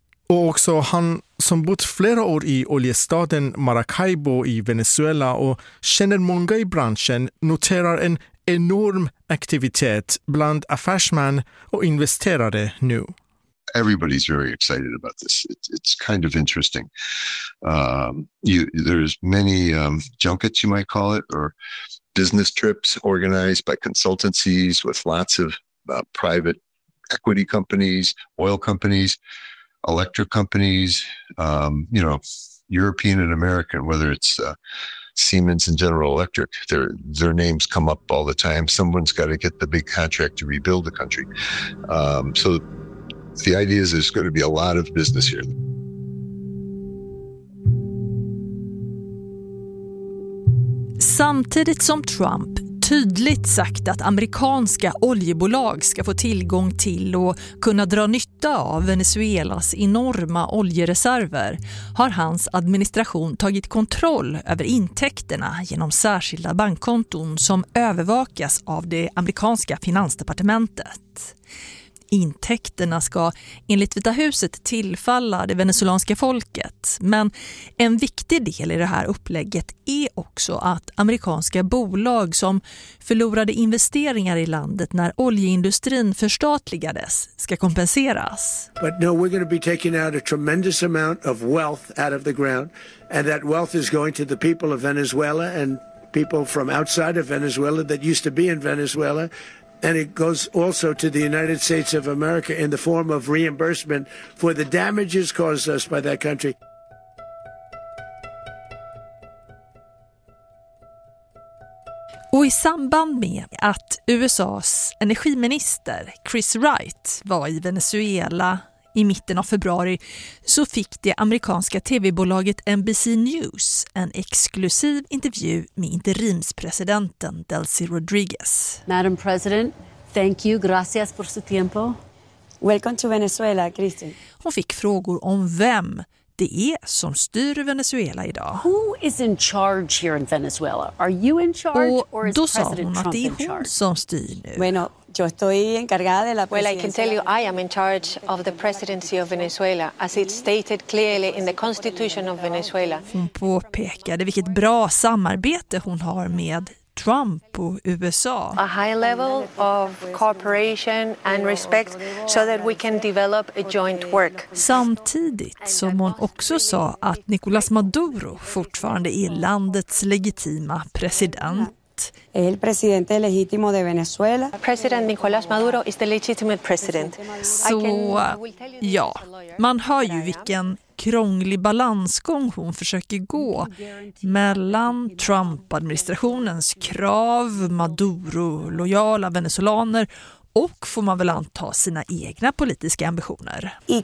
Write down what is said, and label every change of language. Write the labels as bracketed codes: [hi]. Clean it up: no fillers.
[sv] Och också han som bott flera år i oljestaden Maracaibo i Venezuela och känner många i branschen noterar en enorm aktivitet bland affärsmän och investerare nu. [en] Everybody's very excited about this. It's kind of interesting. There's many junkets, you might call it, or business trips organized by consultancies with lots of private equity companies, oil companies, electric companies, European and American, whether it's Siemens and General Electric, their names come up all the time. Someone's got to get the big contract to rebuild the country. So the idea is there's going to be a lot of business here. [sv] Samtidigt som Trump tydligt sagt att amerikanska oljebolag ska få tillgång till och kunna dra nytta av Venezuelas enorma oljereserver har hans administration tagit kontroll över intäkterna genom särskilda bankkonton som övervakas av det amerikanska finansdepartementet. Intäkterna ska enligt Vita huset tillfalla det venezuelanska folket, men en viktig del i det här upplägget är också att amerikanska bolag som förlorade investeringar i landet när oljeindustrin förstatligades ska kompenseras. [en] But no, we're going to be taking out a tremendous amount of wealth out of the ground, and that wealth is going to the people of Venezuela and people from outside of Venezuela that used to be in Venezuela. And it goes also to the United States of America in the form of reimbursement for the damages caused us by that country. [sv] Och i samband med att USAs energiminister Chris Wright var i Venezuela i mitten av februari så fick det amerikanska tv-bolaget NBC News en exklusiv intervju med interimspresidenten Delcy Rodriguez. [en] Madam President, thank you, [es] gracias por su tiempo. [en] Welcome to Venezuela, Kristin. [sv] Hon fick frågor om vem det är som styr Venezuela idag. [en] Who is in charge here in Venezuela? Are you in charge or is President Trump in charge? [sv] Och då sa hon att det är hon som styr nu. [es] Bueno, yo estoy encargada de la presidencia. [en] Well, I can tell you I am in charge of the presidency of Venezuela as it's stated clearly in the constitution of Venezuela. [sv] Hon påpekade vilket bra samarbete hon har med Trump och USA. [en] A high level of cooperation and respect so that we can develop a joint work. [sv] Samtidigt som hon också sa att Nicolás Maduro fortfarande är landets legitima president. [es] El presidente legítimo de Venezuela. [en] President Nicolás Maduro is the legitimate president. [sv] Så ja, man hör ju vilken krånglig balansgång hon försöker gå mellan Trump-administrationens krav, Maduro-lojala venezolaner och får man väl anta sina egna politiska ambitioner.